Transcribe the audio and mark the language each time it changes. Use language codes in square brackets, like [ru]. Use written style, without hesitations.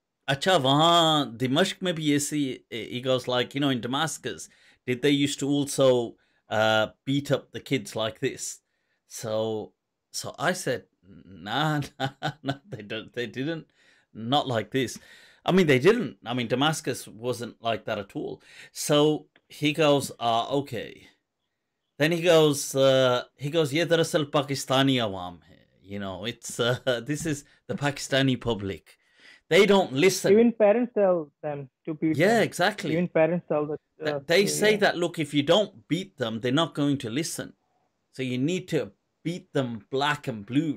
[ur] "اچھا، وہاں دمشق میں بھی ایسے،" [en] he goes, like, you know, in Damascus, did they used to also beat up the kids like this? So I said, Nah, they didn't. Not like this. I mean, they didn't. I mean, Damascus wasn't like that at all. So he goes, okay. Then he goes, [ur] یہ دراصل پاکستانی عوام ہے۔ [en] You know, it's this is the Pakistani public. They don't listen. Even parents tell them to beat yeah, them. Exactly. Even parents tell that. They say that, look, if you don't beat them, they're not going to listen. So you need to beat them black and blue.